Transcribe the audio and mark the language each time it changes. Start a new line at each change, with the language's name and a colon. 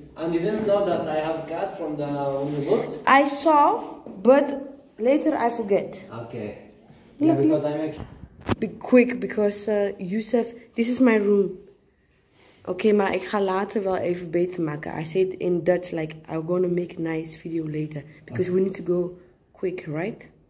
English: And you didn't know that I have a cat from the book? I saw, but later I forget. Okay. Yeah, look, because look. I make be quick, because Youssef, this is my room.
Dutch: Okay, maar ik ga later wel even beter maken.
English: I said in Dutch, like, I'm gonna make a nice video later. Because okay. We need to go quick, right?